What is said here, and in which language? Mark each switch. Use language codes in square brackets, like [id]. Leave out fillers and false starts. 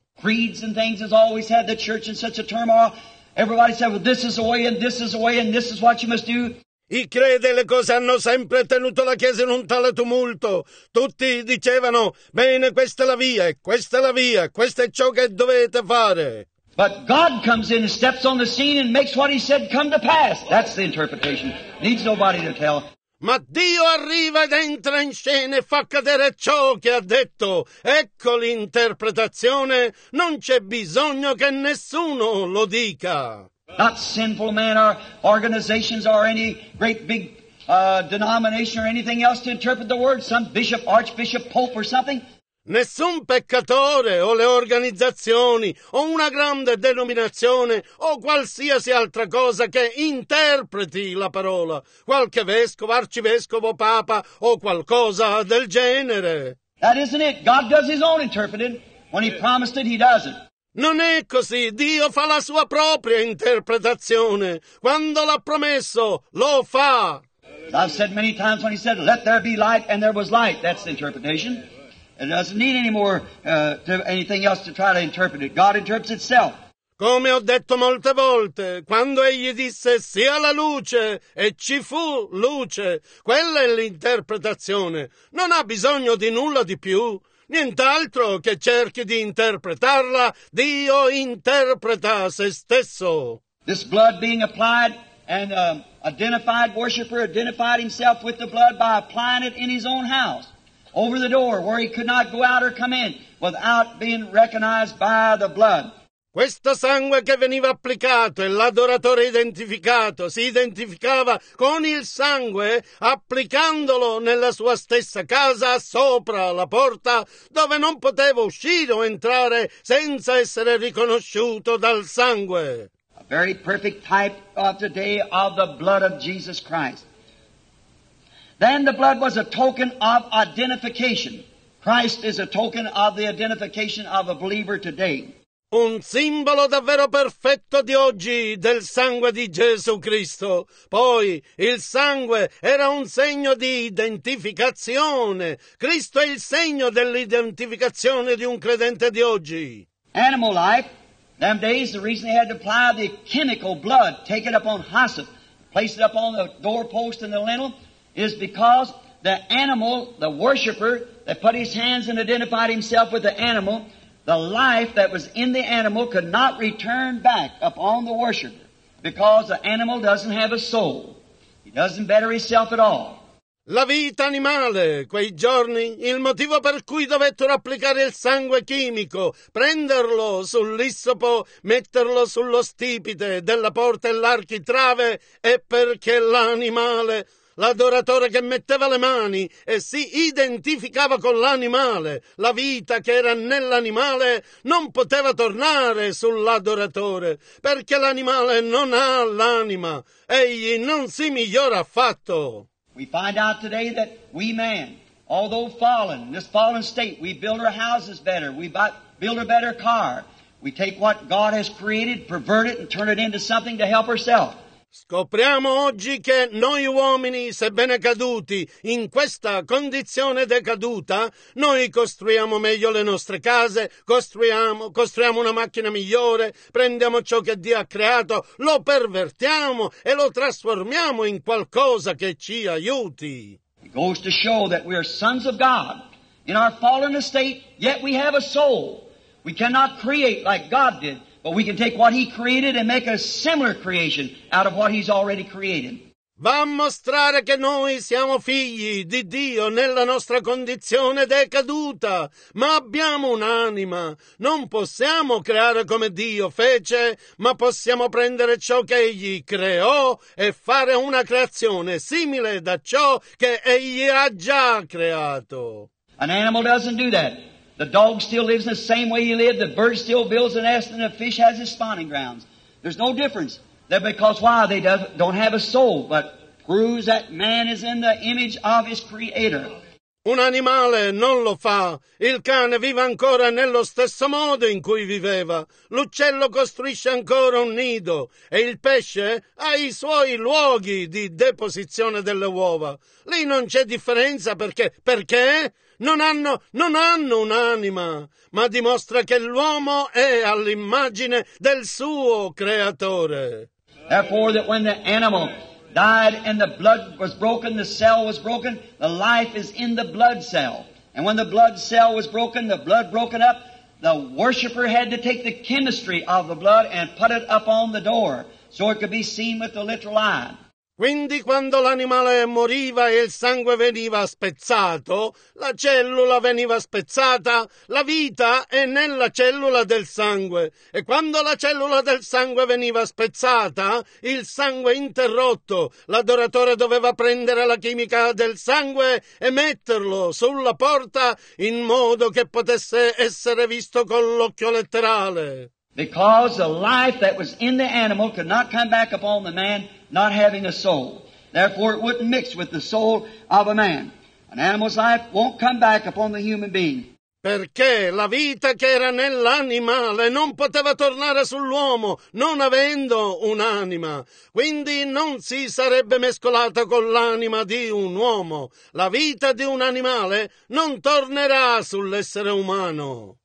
[en] Creeds and things has always had the church in such a turmoil. Everybody said, well, this is the way and this is the way and this is what you must do. [it] I credi e le cose hanno sempre tenuto la Chiesa in un tale tumulto. Tutti dicevano, bene, questa è la via, questa è la via, questo è ciò che dovete fare. [en] But God comes in and steps on the scene and makes what he said come to pass. That's the interpretation. Needs nobody to tell. [it] Ma Dio arriva ed entra in scena e fa cadere ciò che ha detto. Ecco l'interpretazione. Non c'è bisogno che nessuno lo dica. [en] Not sinful men or organizations or any great big denomination or anything else to interpret the word. Some bishop, archbishop, pope or something. [it] Nessun peccatore o le organizzazioni o una grande denominazione o qualsiasi altra cosa che interpreti la parola. Qualche vescovo, arcivescovo, papa o qualcosa del genere. [en] That isn't it. God does his own interpreting. When he promised it, he does it. [it] Non è così. Dio fa la sua propria interpretazione. Quando l'ha promesso, lo fa. [en] I've said many times when he said, let there be light, and there was light. That's the interpretation. It doesn't need any more anything else to try to interpret it. God interprets itself. [it] Come ho detto molte volte, quando egli disse sia la luce e ci fu luce, quella è l'interpretazione. Non ha bisogno di nulla di più, nient'altro che cerchi di interpretarla. Dio interpreta se stesso. [en] This blood being applied and identified worshiper identified himself with the blood by applying it in his own house. Over the door, where he could not go out or come in without being recognized by the blood. [it] Questo sangue che veniva applicato e l'adoratore identificato si identificava con il sangue applicandolo nella sua stessa casa sopra la porta dove non poteva uscire o entrare senza essere riconosciuto dal sangue. [en] A very perfect type of today of the blood of Jesus Christ. Then the blood was a token of identification. Christ is a token of the identification of a believer today. [it] Un simbolo davvero perfetto di oggi del sangue di Gesù Cristo. Poi il sangue era un segno di identificazione. Cristo è il segno dell'identificazione di un credente di oggi. [en] Animal life, them days, the reason they had to apply the chemical blood, take it upon hyssop, place it upon the doorpost and the lintel. Is because the animal, the worshiper, that put his hands and identified himself with the animal, the life that was in the animal could not return back upon the worshiper because the animal doesn't have a soul. He doesn't better himself at all. [it] La vita animale, quei giorni, il motivo per cui dovettero applicare il sangue chimico, prenderlo sull'issopo, metterlo sullo stipite della porta e l'architrave, è perché l'animale... L'adoratore che metteva le mani e si identificava con l'animale, la vita che era nell'animale, non poteva tornare sull'adoratore, perché l'animale non ha l'anima. Egli non si migliora affatto. [en] We find out today that we man, although fallen, in this fallen state, we build our houses better, we build a better car. We take what God has created, pervert it, and turn it into something to help ourselves. [it] Scopriamo oggi che noi uomini, sebbene caduti, in questa condizione decaduta, noi costruiamo meglio le nostre case, costruiamo una macchina migliore, prendiamo ciò che Dio ha creato, lo pervertiamo e lo trasformiamo in qualcosa che ci aiuti. [en] It goes to show that we are sons of God. In our fallen estate, yet we have a soul. We cannot create like God did. But we can take what he created and make a similar creation out of what he's already created. [it] Va a mostrare che noi siamo figli di Dio nella nostra condizione decaduta, ma abbiamo un'anima. Non possiamo creare come Dio fece, ma possiamo prendere ciò che egli creò e fare una creazione simile da ciò che egli ha già creato. [en] An animal doesn't do that. The dog still lives in the same way he lived. The bird still builds a nest, and the fish has his spawning grounds. There's no difference. That because why? They don't have a soul, but proves that man is in the image of his creator. [it] Un animale non lo fa. Il cane vive ancora nello stesso modo in cui viveva. L'uccello costruisce ancora un nido. E il pesce ha i suoi luoghi di deposizione delle uova. Lì non c'è differenza perché... Perché? Non hanno un'anima, ma dimostra che l'uomo è all'immagine del suo creatore. [en] Therefore, that when the animal died and the blood was broken, the cell was broken, the life is in the blood cell. And when the blood cell was broken, the blood broken up, the worshiper had to take the chemistry of the blood and put it up on the door so it could be seen with the literal eye. [it] Quindi quando l'animale moriva e il sangue veniva spezzato, la cellula veniva spezzata, la vita è nella cellula del sangue. E quando la cellula del sangue veniva spezzata, il sangue interrotto, l'adoratore doveva prendere la chimica del sangue e metterlo sulla porta in modo che potesse essere visto con l'occhio letterale. [en] Because the life that was in the animal could not come back upon the man not having a soul. Therefore, it wouldn't mix with the soul of a man. An animal's life won't come back upon the human being. [it] Perché la vita che era nell'animale non poteva tornare sull'uomo, non avendo un'anima. Quindi non si sarebbe mescolata con l'anima di un uomo. La vita di un animale non tornerà sull'essere umano.